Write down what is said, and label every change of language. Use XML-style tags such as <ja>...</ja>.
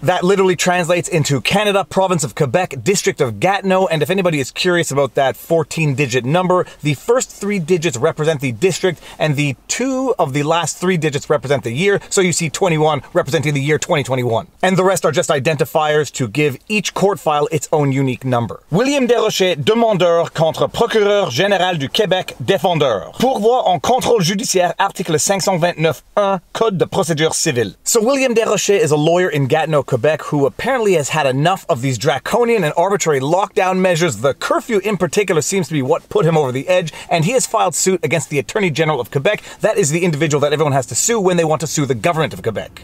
<en>That literally translates into Canada, province of Quebec, district of Gatineau, and if anybody is curious about that 14-digit number, the first 3 digits represent the district, and the 2 of the last 3 digits represent the year, so you see 21 representing the year 2021. And the rest are just identifiers to give each court file its own unique number.</en> <fr>William Desrochers, demandeur contre procureur général du Québec, défendeur. Pourvoi en contrôle judiciaire, article 529.1, code de procédure civile.</fr> <en>So William Desrochers is a lawyer in Gatineau, Quebec, who apparently has had enough of these draconian and arbitrary lockdown measures. The curfew in particular seems to be what put him over the edge, and he has filed suit against the Attorney General of Quebec. That is the individual that everyone has to sue when they want to sue the government of Quebec.</en>